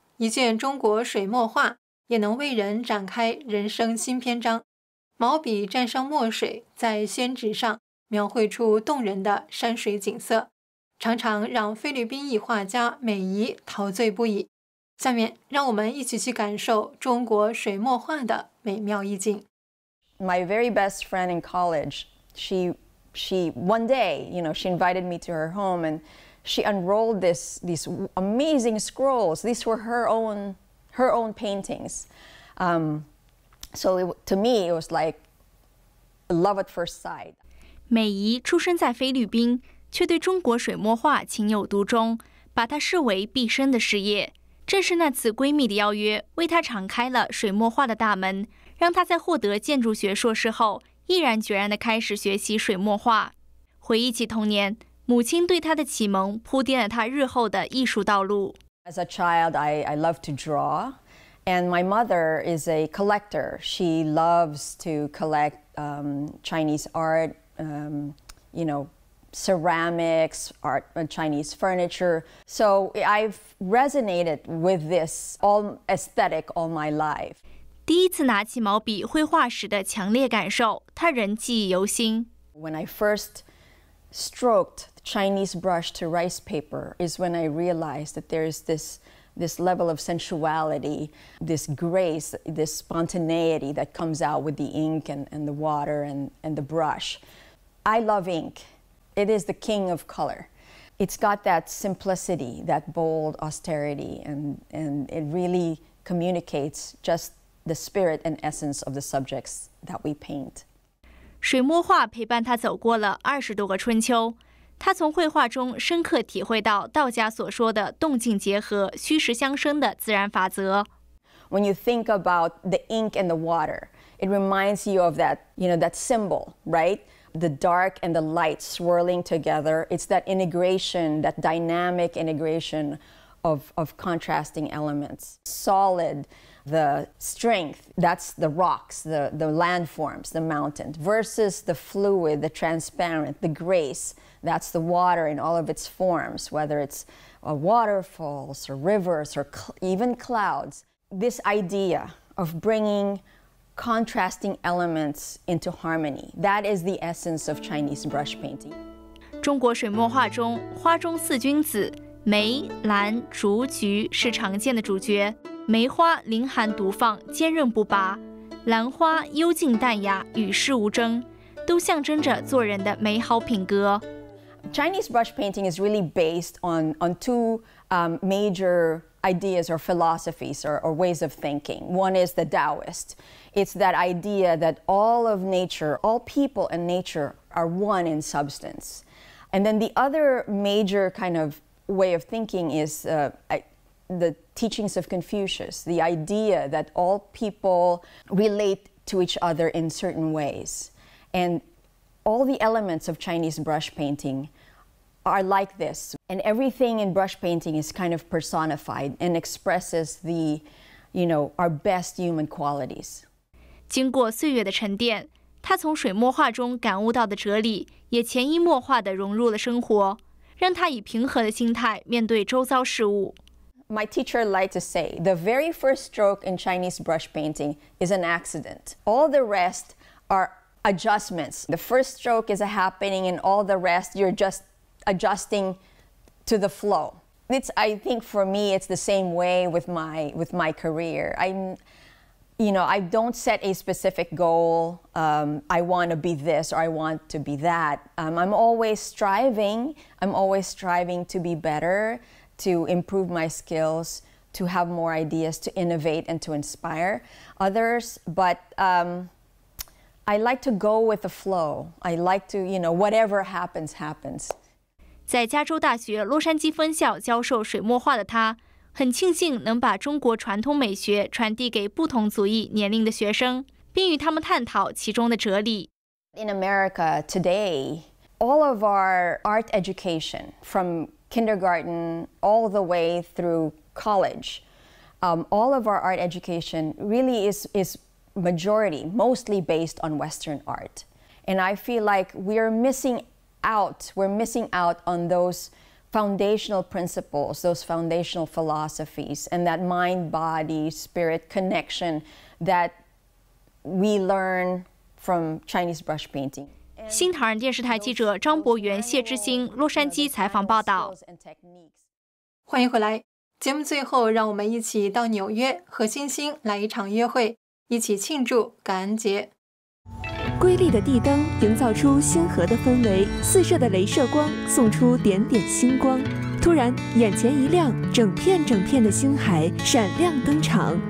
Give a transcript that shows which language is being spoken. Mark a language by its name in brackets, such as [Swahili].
[Chinese] 一件中国水墨画也能为人展开人生新篇章，毛笔蘸上墨水，在宣纸上描绘出动人的山水景色，常常让菲律宾裔画家美仪陶醉不已。下面让我们一起去感受中国水墨画的美妙意境。 [English] My very best friend in college, she one day, you know, she invited me to her home and she unrolled these amazing scrolls. These were her own paintings. To me, it was like love at first sight. [Chinese] 美仪出生在菲律宾，却对中国水墨画情有独钟，把它视为毕生的事业。正是那次闺蜜的邀约，为她敞开了水墨画的大门，让她在获得建筑学硕士后，毅然决然地开始学习水墨画。回忆起童年，母亲对她的启蒙铺垫了她日后的艺术道路。 [English] As a child, I love to draw, and my mother is a collector. She loves to collect Chinese art, you know. Ceramics, art, Chinese furniture. So I've resonated with this all aesthetic all my life. [Chinese] 第一次拿起毛笔绘画时的强烈感受，他仍记忆犹新。 [English] When I first stroked the Chinese brush to rice paper, is when I realized that there is this level of sensuality, this grace, this spontaneity that comes out with the ink and the water and the brush. I love ink. It is the king of color. It's got that simplicity, that bold austerity, and it really communicates just the spirit and essence of the subjects that we paint. [Chinese] 水墨画陪伴他走过了二十多个春秋。他从绘画中深刻体会到道家所说的动静结合、虚实相生的自然法则。 [English] When you think about the ink and the water, it reminds you of that, you know, that symbol, right? The dark and the light swirling together. It's that integration, that dynamic integration of contrasting elements. Solid, the strength, that's the rocks, the landforms, the mountains, versus the fluid, the transparent, the grace, that's the water in all of its forms, whether it's waterfalls or rivers or even clouds. This idea of bringingcontrasting elements into harmony. That is the essence of Chinese brush painting. [Chinese] 中国水墨画中，花中四君子，梅、兰、竹、菊是常见的主角。梅花凌寒独放，坚韧不拔；兰花幽静淡雅，与世无争，都象征着做人的美好品格。 [English] Chinese brush painting is really based on two major ideas or philosophies or ways of thinking. One is the Taoist. It's that idea that all of nature, all people and nature are one in substance. And then the other major kind of way of thinking is the teachings of Confucius, the idea that all people relate to each other in certain ways. And all the elements of Chinese brush painting are like this. And everything in brush painting is kind of personified and expresses the, you know, our best human qualities. [Chinese] 经过岁月的沉淀，他从水墨画中感悟到的哲理也潜移默化地融入了生活，让他以平和的心态面对周遭事物。 [English] My teacher liked to say, the very first stroke in Chinese brush painting is an accident. All the rest are adjustments. The first stroke is a happening and all the rest, you're just adjusting to the flow. It's, I think for me, it's the same way with my career. You know, I don't set a specific goal. I want to be this or I want to be that. I'm always striving. I'm always striving to be better, to improve my skills, to have more ideas, to innovate and to inspire others. But I like to go with the flow. I like to, you know, whatever happens, happens. [Chinese] 在加州大学洛杉矶分校教授水墨画的他很庆幸能把中国传统美学传递给不同族裔年龄的学生，并与他们探讨其中的哲理。 [English] In America today, all of our art education from kindergarten all the way through college, all of our art education really is majority, mostly based on Western art. And I feel like we're missing out on those. Foundational principles, those foundational philosophies, and that mind-body-spirit connection that we learn from Chinese brush painting. [Chinese] 新唐人电视台记者张博元、谢之星，洛杉矶采访报道。欢迎回来。节目最后，让我们一起到纽约和星星来一场约会，一起庆祝感恩节。瑰丽的地灯营造出星河的氛围，四射的镭射光送出点点星光，突然眼前一亮，整片整片的星海闪亮登场。